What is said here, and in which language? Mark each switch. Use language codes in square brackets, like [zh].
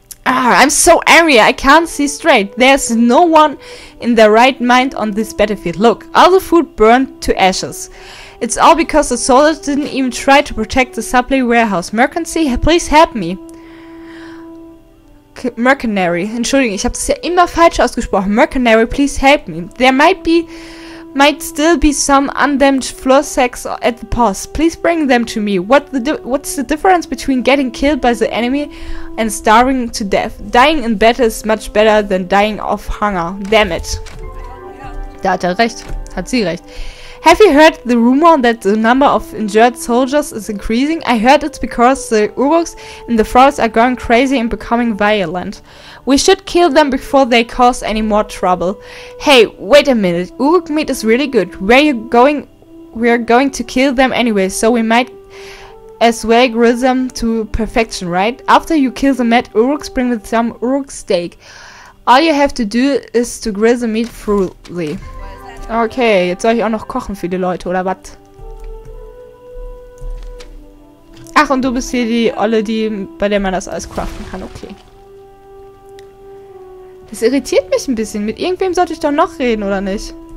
[en] Ah, I'm so angry, I can't see straight. There's no one in their right mind on this battlefield. Look, all the food burned to ashes. It's all because the soldiers didn't even try to protect the supply warehouse. Mercancy, please help me. Mercenary. [de] Entschuldigung, ich habe das ja immer falsch ausgesprochen. [en] Mercenary, please help me. Might still be some undamaged floor sacks at the post. Please bring them to me. What's the difference between getting killed by the enemy and starving to death? Dying in battle is much better than dying of hunger. Damn it. [de] Da hat er recht. Hat sie recht. [en] Have you heard the rumor that the number of injured soldiers is increasing? I heard it's because the Uruks in the forest are going crazy and becoming violent. We should kill them before they cause any more trouble. Hey, wait a minute. Uruk meat is really good. Where are you going? We're going to kill them anyway, so we might as well grill them to perfection, right? After you kill the mad Uruks, bring with some Uruk steak. All you have to do is to grill the meat thoroughly. [de] Okay, jetzt soll ich auch noch kochen für die Leute, oder was? Ach, und du bist hier die Olle, die bei der man das alles craften kann. Okay. Das irritiert mich ein bisschen. Mit irgendwem sollte ich doch noch reden, oder nicht?